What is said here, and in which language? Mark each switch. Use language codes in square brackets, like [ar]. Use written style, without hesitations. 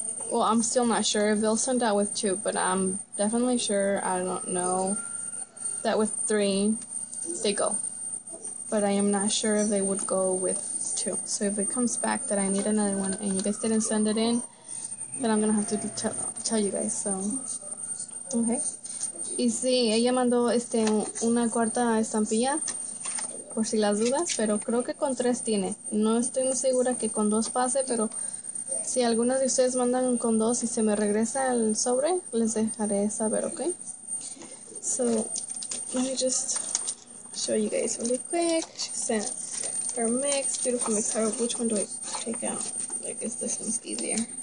[en] Well, I'm still not sure if they'll send out with two, but I'm definitely sure, I don't know, that with three, they go. But I am not sure if they would go with two. So if it comes back that I need another one and you guys didn't send it in, then I'm going to have to tell you guys, so. Okay. [es] Y sí, ella mandó una cuarta estampilla, por si las dudas, pero creo que con tres tiene. No estoy muy segura que con dos pase, pero... Si algunas de ustedes mandan con dos y se me regresa el sobre, les dejaré saber, ¿ok? [en] So, let me just show you guys really quick. She sent her mix, beautiful mix. How, which one do I take out? I guess this one's easier.